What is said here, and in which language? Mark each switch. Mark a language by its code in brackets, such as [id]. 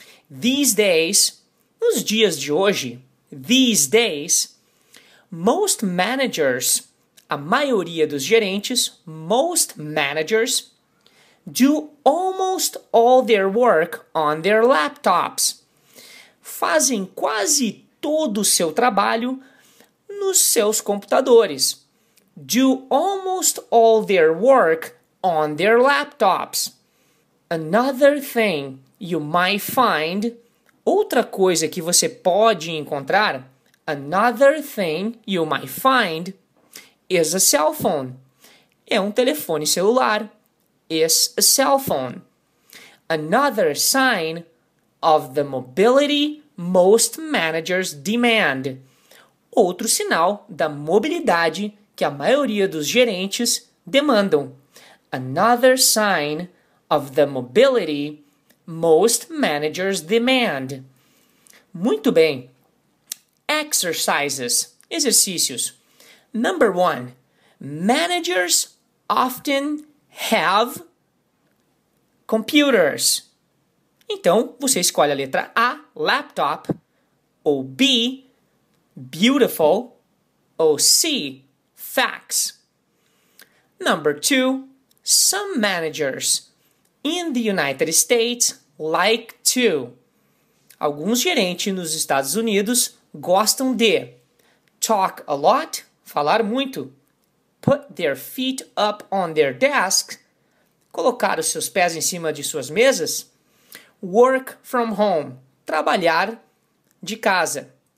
[en] These days, [pt] nos dias de hoje, [en] these days, most managers, [pt] a maioria dos gerentes, [en] most managers, do almost all their work on their laptops. [pt] Fazem quase todo o seu trabalho nos seus computadores. [en] Do almost all their work on their laptops. Another thing you might find, [pt] outra coisa que você pode encontrar, [en] another thing you might find, is a cell phone. [pt] É um telefone celular. [en] Is a cell phone. Another sign of the mobility most managers demand. [pt] Outro sinal da mobilidade que a maioria dos gerentes demandam. [en] Another sign of the mobility most managers demand. [pt] Muito bem. Exercises. Exercícios. [en] Number one. Managers often have computers. [pt] Então, você escolhe a letra A, laptop, ou B, beautiful, ou C, fax. [en] Number two. Some managers in the United States, like to. [pt] Alguns gerentes nos Estados Unidos gostam de [en] talk a lot, [pt] falar muito. [en] Put their feet up on their desk, [pt] colocar os seus pés em cima de suas mesas. [en] Work from home, [pt] trabalhar de casa.